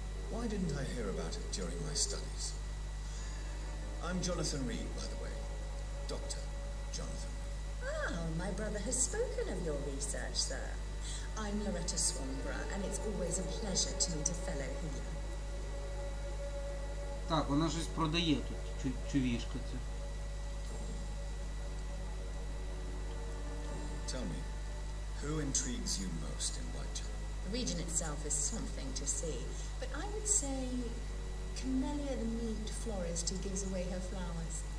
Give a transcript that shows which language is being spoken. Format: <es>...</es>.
<en>Why didn't I hear about it during my studies? I'm Jonathan Reed, by the way. Dr. Jonathan Reed. Oh, my brother has spoken of your research, sir. I'm Loretta Swanborough, and it's always a pleasure to meet a fellow healer.</en> <uk>Так, вона щось продає тут, чувішка ця.</uk> <en>Tell me, who intrigues you most in Whitechapel? The region itself is something to see, but I would say Camellia the meat florist who gives away her flowers.</en>